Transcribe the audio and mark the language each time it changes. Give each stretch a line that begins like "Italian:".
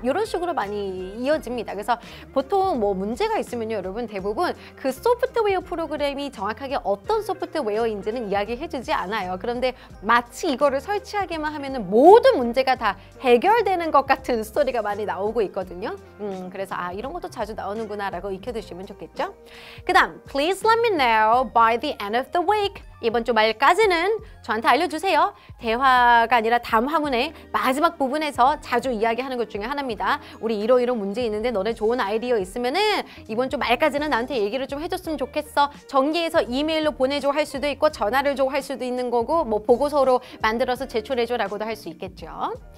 Korean: 이런 식으로 많이 이어집니다. 그래서 보통 뭐 문제가 있으면요, 여러분 대부분 그 소프트웨어 프로그램이 정확하게 어떤 소프트웨어인지는 이야기해주지 않아요. 그런데 마치 이거를 설치하게만 하면은 모든 문제가 다 해결되는 것 같은 스토리가 많이 나오고 있거든요. 그래서 아, 이런 것도 자주 나오는구나라고 익혀두시면 좋겠죠. 그 다음,
English: Please let me know by the end of the week.
Korean: 이번 주말까지는 저한테 알려주세요. 대화가 아니라 담화문의 마지막 부분에서 자주 이야기하는 것 중에 하나입니다. 우리 이러이러 문제 있는데 너네 좋은 아이디어 있으면은 이번 주말까지는 나한테 얘기를 좀 해줬으면 좋겠어. 정리해서 이메일로 보내줘 할 수도 있고 전화를 줘 할 수도 있는 거고 뭐 보고서로 만들어서 제출해줘 라고도 할 수 있겠죠.